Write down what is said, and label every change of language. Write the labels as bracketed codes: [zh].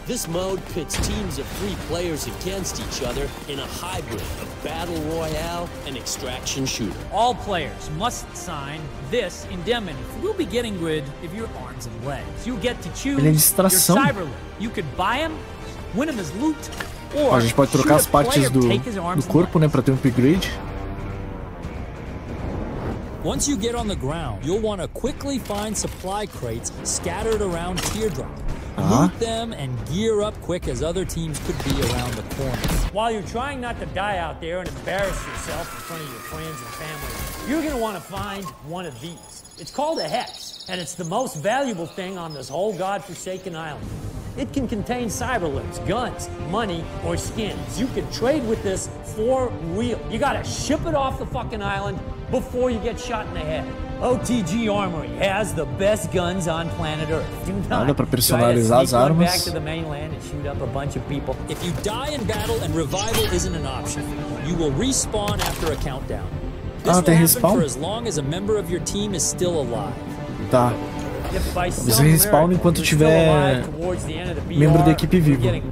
[en] This mode pits teams of three players against each other in a hybrid of Battle Royale and Extraction Shooter. All players must sign this indemnity. We'll be getting grid of your arms and legs. You get to choose your cyber limb. You could buy him, win him as loot, or [pt] a gente pode trocar as partes do corpo, né, para ter um upgrade. [en] Once you get on the ground, you'll want to quickly find supply crates scattered around Teardrop. Loot them and gear up quick as other teams could be around the corner. While you're trying not to die out there and embarrass yourself in front of your friends and family, you're going to want to find one of these. It's called a Hex, and it's the most valuable thing on this whole godforsaken island. It can contain cyberlimbs, guns, money, or skins. You can trade with this for real. You gotta ship it off the fucking island before you get shot in the head. OTG Armory has the best guns on planet Earth. Do not try to sneak one back to the mainland and shoot up a bunch of people. If you die in battle and revival isn't an option, you will respawn after a countdown. This will happen for as long as a member of your team is still alive. [pt] Tá. Você respawn enquanto tiver membro da equipe vivo.